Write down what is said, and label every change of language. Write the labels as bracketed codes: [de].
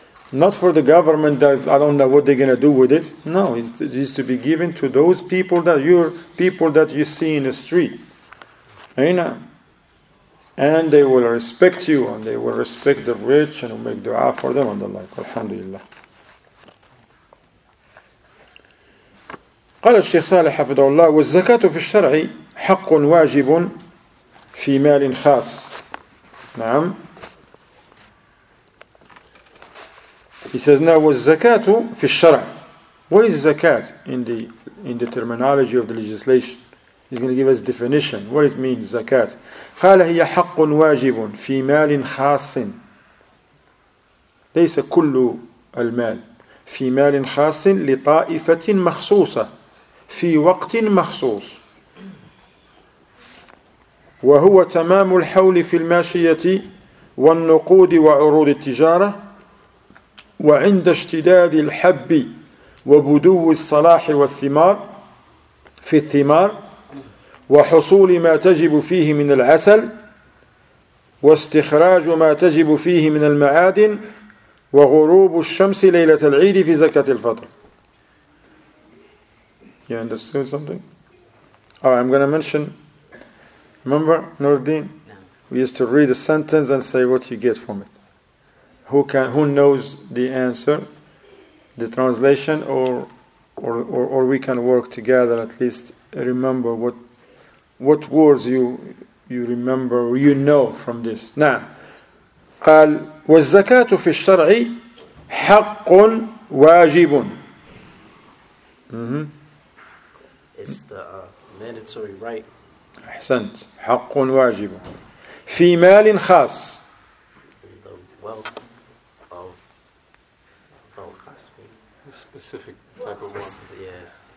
[en] Not for the government that I don't know what they're going to do with it. No, it is to be given to those people that your people that you see in the street. Ain't it? And they will respect you, and they will respect the rich, and make dua for them, and the like. [ar] Alhamdulillah. قال الشيخ صالح حفظه الله والزكاة في الشرع حق واجب في مال خاص. نعم. [en] He says now [ar] والزكاة في الشرع. [en] What is زكاة in the terminology of the legislation? He's going to give us definition. What it means زكاة. [ar] قال هي حق واجب في مال خاص. ليس كل المال في مال خاص لطائفة مخصوصة. في وقت مخصوص وهو تمام الحول في الماشية والنقود وعروض التجارة وعند اشتداد الحب وبدو الصلاح والثمار في الثمار وحصول ما تجب فيه من العسل واستخراج ما تجب فيه من المعادن وغروب الشمس ليلة العيد في زكاة الفطر. [en] You understood something? Oh, I'm going to mention. Remember, Nuruddin? No. We used to read a sentence and say what you get from it. Who knows the answer, the translation, or we can work together at least remember what words you remember or you know from this. [ar] Now, قال والزكاة في الشرع حق واجب. [en] It's the mandatory right. [ar] أحسنت. حق واجب. في مال خاص. [en] The wealth of خاص means specific type of wealth. Yes.